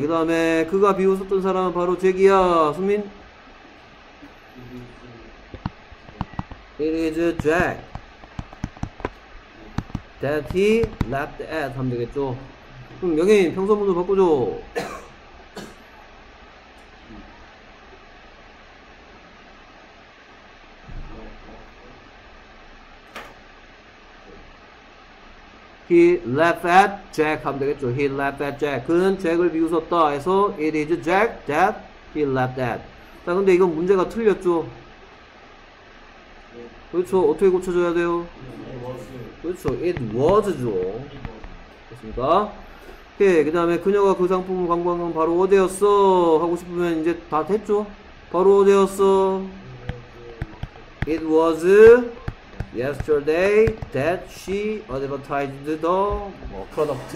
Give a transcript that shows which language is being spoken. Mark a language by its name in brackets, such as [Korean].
[Korean] 그 다음에, 그가 비웃었던 사람은 바로 제기야. 수민? [English] It is Jack that he left at [Korean] 하면 되겠죠. 그럼 여기 평소문으로 바꾸죠. [English] He left at Jack [Korean] 하면 되겠죠. [English] He left at Jack. [Korean] 그는 Jack을 비웃었다 해서 [English] It is Jack that he left at. [Korean] 자, 근데 이건 문제가 틀렸죠. 그렇죠. 어떻게 고쳐줘야 돼요? [English] It was. [Korean] 그렇죠. It was죠. 됐습니까? 오케이. 그 다음에 그녀가 그 상품을 광고한 건 바로 어디였어? 하고 싶으면 이제 다 됐죠. 바로 어디였어? [English] It was yesterday that she advertised the product.